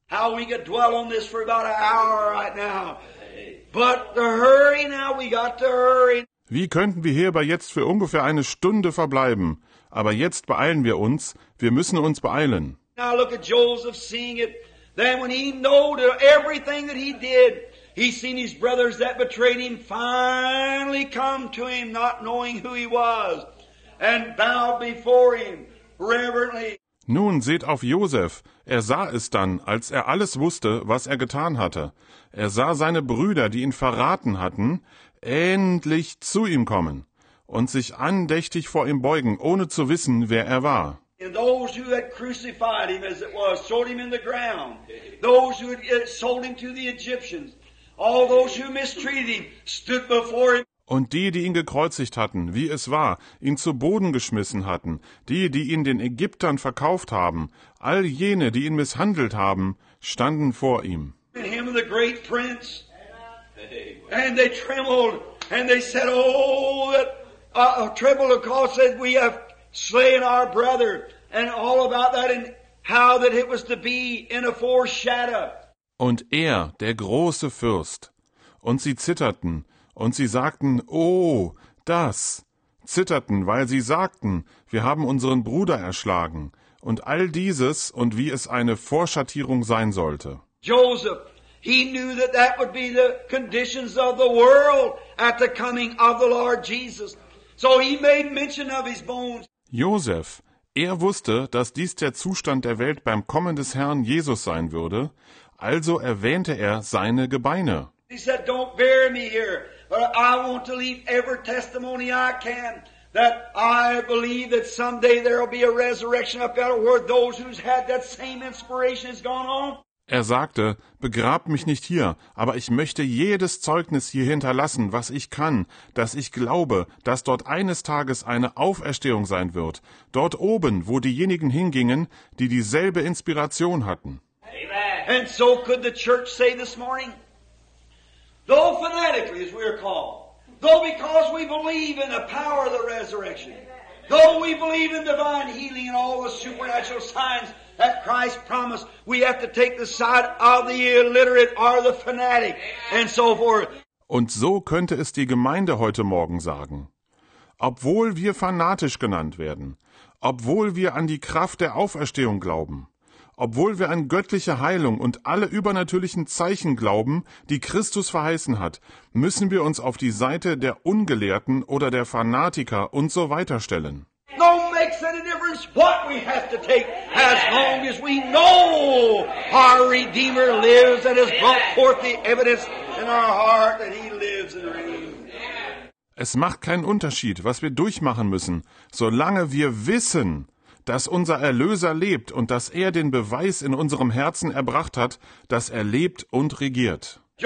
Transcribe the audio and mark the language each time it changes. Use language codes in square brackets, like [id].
[en] How we could dwell on this for about an hour right now. But the hurry now, we got to hurry. [de] Wie könnten wir hierbei jetzt für ungefähr eine Stunde verbleiben? Aber jetzt beeilen wir uns, wir müssen uns beeilen. [en] Now look at Joseph seeing it. Then when he knew everything that he did, he seen his brothers that betrayed him finally come to him, not knowing who he was, and bowed before him reverently. [de] Nun seht auf Josef. Er sah es dann, als er alles wusste, was er getan hatte. Er sah seine Brüder, die ihn verraten hatten, endlich zu ihm kommen und sich andächtig vor ihm beugen, ohne zu wissen, wer er war. [en] And those who had crucified him, as it was, sold him in the ground. Those who had sold him to the Egyptians. All those who mistreated him stood before him. [de] Und die, die ihn gekreuzigt hatten, wie es war, ihn zu Boden geschmissen hatten, die, die ihn den Ägyptern verkauft haben, all jene, die ihn misshandelt haben, standen vor ihm. [en] And him the great prince. And they trembled. And they said, oh, trembled, of course, said, we have slain our brother, and all about that, and how that it was to be in a foreshadow. [de] Und er, der große Fürst. Und sie zitterten, und sie sagten, oh, das. Zitterten, weil sie sagten, wir haben unseren Bruder erschlagen. Und all dieses, und wie es eine Vorschattierung sein sollte. [en] Joseph, he knew that that would be the conditions of the world at the coming of the Lord Jesus. So he made mention of his bones. [de] Josef, er wusste, dass dies der Zustand der Welt beim Kommen des Herrn Jesus sein würde, also erwähnte er seine Gebeine. [en] He said, don't bury me here, but I want to leave every testimony I can that I believe that someday there will be a resurrection up there where those who's had that same inspiration has gone on. [de] Er sagte, begrab mich nicht hier, aber ich möchte jedes Zeugnis hier hinterlassen, was ich kann, dass ich glaube, dass dort eines Tages eine Auferstehung sein wird, dort oben, wo diejenigen hingingen, die dieselbe Inspiration hatten. Amen. [en] And so could the church say this morning, though fanatically as we are called, though because we believe in the power of the resurrection, though we believe in divine healing and all the supernatural signs that Christ promised, we have to take the side of the illiterate or the fanatic and so forth. [de] Und so könnte es die Gemeinde heute Morgen sagen. Obwohl wir fanatisch genannt werden, obwohl wir an die Kraft der Auferstehung glauben, obwohl wir an göttliche Heilung und alle übernatürlichen Zeichen glauben, die Christus verheißen hat, müssen wir uns auf die Seite der Ungelehrten oder der Fanatiker und so weiter stellen. [en] No makes any difference what we have to take, as long as we know our Redeemer lives and has brought forth the evidence in our heart that he lives and reigns. [de] Es macht keinen Unterschied, was wir durchmachen müssen, solange wir wissen, dass unser Erlöser lebt und dass er den Beweis in unserem Herzen erbracht hat, dass er lebt und regiert.